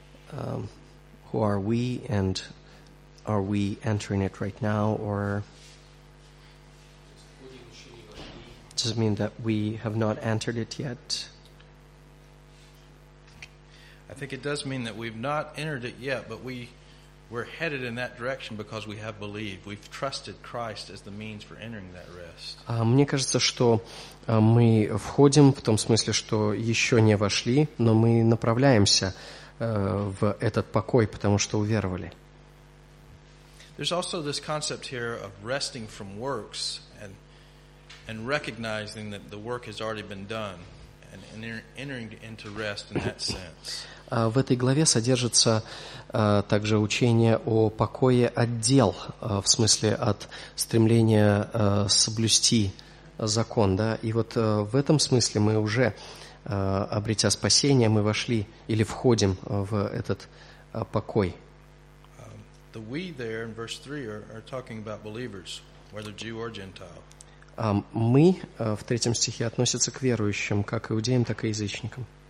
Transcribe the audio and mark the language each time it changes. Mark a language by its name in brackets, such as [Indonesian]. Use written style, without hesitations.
[English] Who are we, and are we entering it right now, or does it mean that we have not entered it yet? I think it does mean that we've not entered it yet, but we're headed in that direction because we have believed. We've trusted Christ as the means for entering that rest. [Russian] Мне кажется, что мы входим в том смысле, что еще не вошли, но мы направляемся в этот покой, потому что уверовали. [English] There's also this concept here of resting from works and recognizing that the work has already been done and entering into rest in that sense. [Russian] В этой главе содержится также учение о покое от дел, в смысле от стремления соблюсти закон. Да? И вот в этом смысле мы уже, обретя спасение, мы вошли или входим в этот покой. [English] The we there in verse 3 are talking about believers, whether Jew or Gentile. [Russian] Мы в третьем стихе относятся к верующим, как иудеям, так и язычникам.